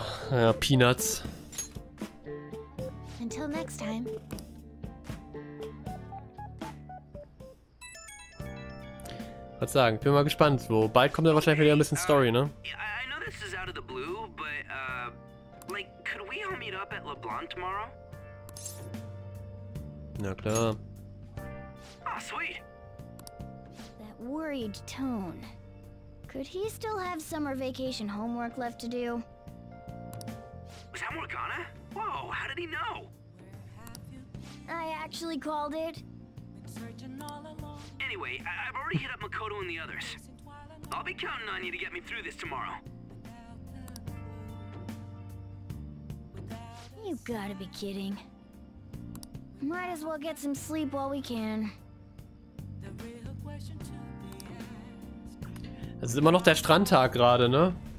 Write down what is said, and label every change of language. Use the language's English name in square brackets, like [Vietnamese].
[German] Ja, Peanuts. [English] Until next time. [German] Was sagen? Bin mal gespannt. So, bald kommt ja wahrscheinlich wieder ein bisschen Story, ne? [English] I know this is out of the blue, but like, could we all meet up at LeBlanc tomorrow? [German] Na klar. [English] Oh, sweet. That worried tone. Could he still have summer vacation homework left to do? Was that Morgana? Whoa, how did he know? I actually called it. Anyway, I've already hit up Makoto and the others. I'll be counting on you to get me through this tomorrow. You gotta be kidding. Might as well get some sleep while we can. [German] Es ist immer noch der Strandtag gerade, ne?